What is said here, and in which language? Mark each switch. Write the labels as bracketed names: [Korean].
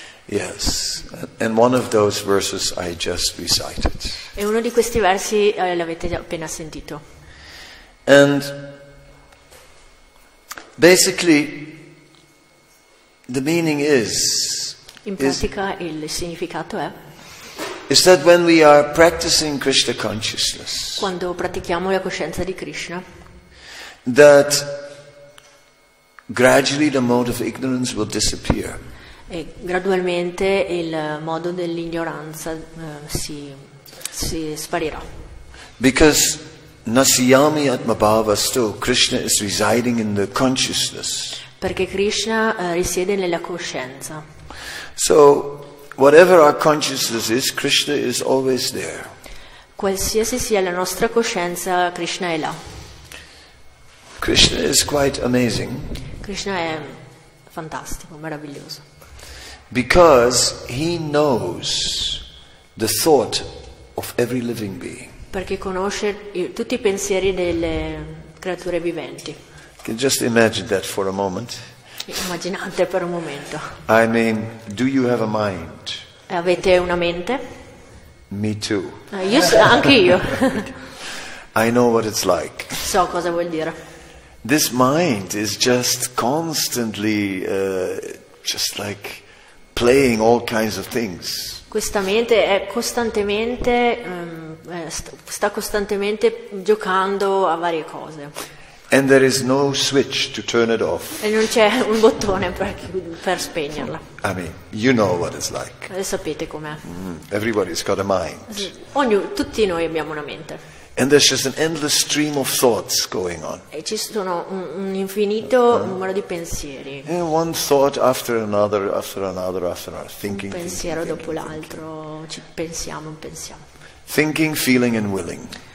[English] Yes, and one of those verses I just recited. [Italian] E uno di questi versi l'avete appena sentito. [English] And basically, the meaning is. [Italian] In pratica, il significato è. [English] Is that when we are practicing Krishna consciousness? [Italian] Quando pratichiamo la coscienza di Krishna. [English] That gradually the mode of ignorance will disappear. [Italian] E gradualmente il modo dell'ignoranza si sparirà. [English] Because [Sanskrit] nasyami atmabhavasto, [English] Krishna is residing in the consciousness. [Italian] Perché Krishna risiede nella coscienza. [English] So whatever our consciousness is, Krishna is always there. [Italian] Qualsiasi sia la nostra coscienza, Krishna è là. [English] Krishna is quite amazing. [Italian] Krishna è fantastico, meraviglioso. [English] Because he knows the thought of every living being. [Italian] Perché conosce tutti i pensieri delle creature viventi. [English] Can just imagine that for a moment. [Italian] Immaginate per un momento. [English] I mean, do you have a mind? [Italian] Avete una mente? [English] Me too. [Italian] Anche io. [English] I know what it's like. [Italian] So cosa vuol dire. [English] This mind is just constantly just like playing all kinds of things. [Italian] Questa mente è costantemente sta costantemente giocando a varie cose. [English] And there is no switch to turn it off. [Italian] E non c'è un bottone per spegnerla. [English] I mean, you know what it's like. [Italian] E sapete com'è. [English] Everybody's got a mind. [Italian] Tutti noi abbiamo una mente. [English] And there's just an endless stream of thoughts going on. [Italian] E ci sono un infinito numero di pensieri. [English] And one thought after another, after another, after another. Thinking, [Italian] un pensiero [English] thinking, [Italian] dopo [English] thinking, [Italian] l'altro, [English] thinking. [Italian] Ci pensiamo. [English] Thinking, feeling and willing.